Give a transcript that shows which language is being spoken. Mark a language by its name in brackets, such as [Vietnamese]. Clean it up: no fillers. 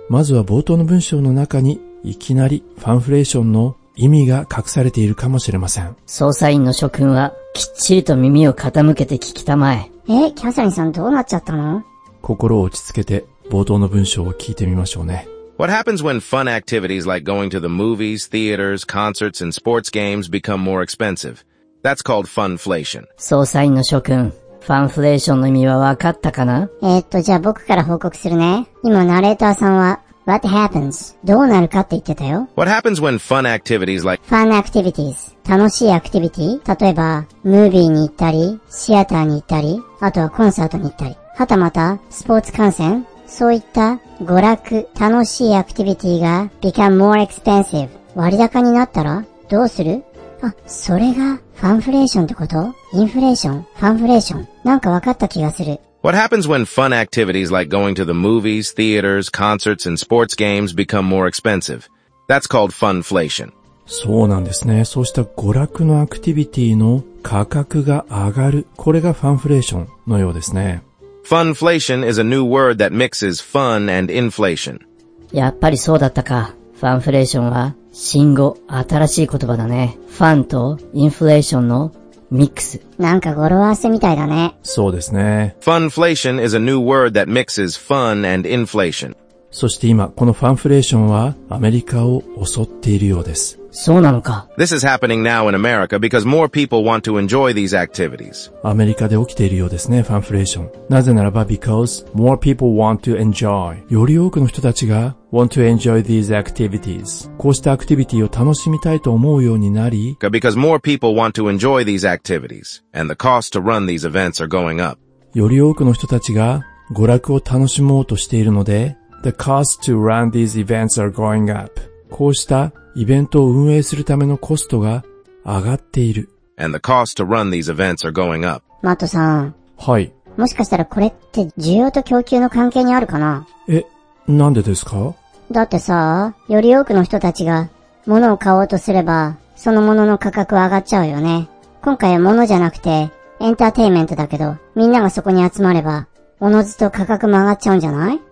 [Japanese] まずは冒頭の文章の中にいきなりファンフレーションの意味が隠されているかもしれません。捜査員の諸君はきっちりと耳を傾けて聞きたまえ。え、キャサリンさん、どうなっちゃったの？心を落ち着けて冒頭の文章を聞いてみましょうね。 [English] What happens when fun activities like going to the movies, theaters, concerts and sports games become more expensive? That's called funflation. [Japanese] 捜査員の諸君、ファンフレーションの意味は分かったかな？じゃあ僕から報告するね。今ナレーターさんは [English] What happens? [Japanese] どうなるかって言ってたよ。 [English] What happens when fun activities like Fun activities [Japanese] 楽しいアクティビティ、例えばムービーに行ったり、シアターに行ったり、あとはコンサートに行ったり、はたまたスポーツ観戦、そういった娯楽、楽しいアクティビティが [English] become more expensive [Japanese] 割高になったらどうする？あ、それがファンフレーションってこと？インフレーション、ファンフレーション。なんか分かった気がする。 [English] What happens when fun activities like going to the movies, theaters, concerts and sports games become more expensive? That's called funflation. [Japanese] そうなんですね。そうした娯楽のアクティビティの価格が上がる。これがファンフレーションのようですね。 [English] Funflation is a new word that mixes fun and inflation. [Japanese] やっぱりそうだったか。ファンフレーションは新語、新しい言葉だね。ファンとインフレーションのミックス。なんか語呂合わせみたいだね。そうですね。 [English] Funflation is a new word that mixes fun and inflation. [Japanese] そして今、このファンフレーションはアメリカを襲っているようです。そうなのか。 [English] This is happening now in America because more people want to enjoy these activities. [Japanese] アメリカで起きているようですね、ファンフレーション。なぜならば、 [English] because more people want to enjoy. [Japanese] より多くの人たちが [English] want to enjoy these activities. [Japanese] こうしたアクティビティを楽しみたいと思うようになり、 [English] because more people want to enjoy these activities and the cost to run these events are going up. [Japanese] より多くの人たちが娯楽を楽しもうとしているので、 [English] the cost to run these events are going up. [Japanese] こうしたイベントを運営するためのコストが上がっている。 [English] And the cost to run these events are going up. [Japanese] マットさん。はい。もしかしたらこれって需要と供給の関係にあるかな？え、なんでですか？だってさ、より多くの人たちが物を買おうとすれば、その物の価格は上がっちゃうよね。今回は物じゃなくて、エンターテインメントだけど、みんながそこに集まれば、おのずと価格も上がっちゃうんじゃない？